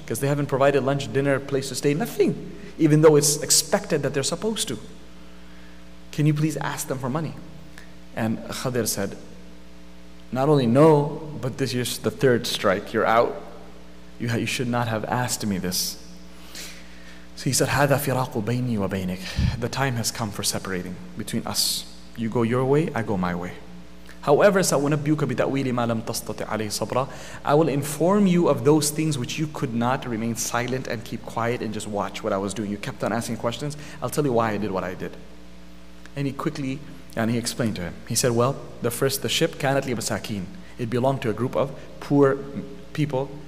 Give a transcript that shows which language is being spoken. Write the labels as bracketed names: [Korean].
[English] Because they haven't provided lunch, dinner, place to stay, nothing. Even though it's expected that they're supposed to. Can you please ask them for money? And Khadir said, not only no, but this is the third strike. You're out. You should not have asked me this. So he said, [Arabic] هذا فراق بيني وبينك. [English] The time has come for separating between us. You go your way, I go my way. [Arabic] However, سأنبيك بتأويل ما لم تستطع عليه صبرا. [English] I will inform you of those things which you could not remain silent and keep quiet and just watch what I was doing. You kept on asking questions. I'll tell you why I did what I did. And he quickly, and he explained to him. He said, well, the ship, [Arabic] كانت لي مساكين. [English] It belonged to a group of poor people.